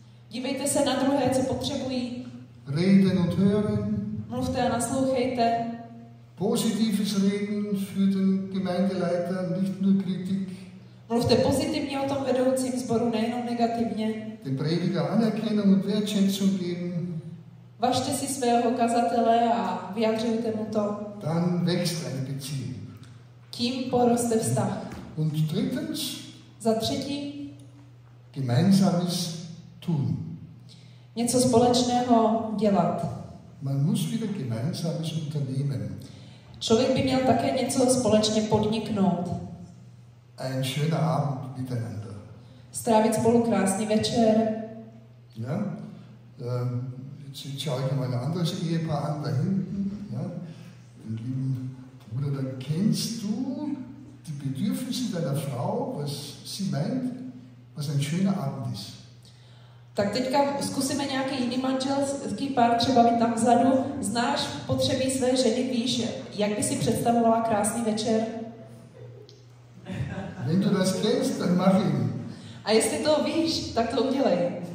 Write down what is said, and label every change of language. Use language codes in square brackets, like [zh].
[cs] Dívejte se na druhé, co potřebují. [de] Reden und hören. [cs] Mluvte a naslouchejte. [de] Positives reden für den Gemeindeleiter, nicht nur Kritik. [cs] Mluvte pozitivně o tom vedoucím sboru, nejenom negativně. [de] Den Prediger Anerkennung und Wertschätzung geben. [cs] Važte si svého kazatele a vyjadřujte mu to. [de] Dann wächst eine Beziehung. [cs] Tím poroste vztah. [de] Und drittens. [cs] Za třetí. [de] Gemeinsames tun. [cs] Něco společného dělat. [de] Man muss wieder gemeinsames unternehmen. [cs] Člověk by měl také něco společně podniknout. [de] Ein schöner Abend miteinander. [cs] Strávit spolu krásný večer. [de] Ja. Jetzt schaue ich mal ein anderes Ehepaar an, da hinten. Ja. Den lieben Bruder, da kennst du die Bedürfnisse deiner Frau, was sie meint, was ein schöner Abend ist. [cs] Tak teďka zkusíme nějaký jiný manželský pár, třeba vy tam vzadu. Znáš potřeby své ženy, víš, jak by si představovala krásný večer? [de] Wenn du das kennst, dann mach ihn. [cs] A jestli to víš, tak to udělej.